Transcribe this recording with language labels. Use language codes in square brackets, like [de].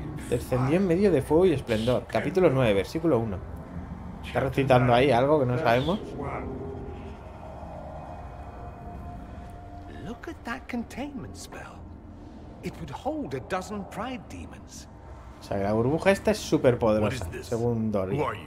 [es] Descendió en medio de fuego y esplendor. Capítulo 9, versículo 1. Está recitando ahí algo que no sabemos. [en] Look at that containment spell. It would hold a dozen pride demons. [es] O sea, la burbuja esta es súper poderosa, según Dory.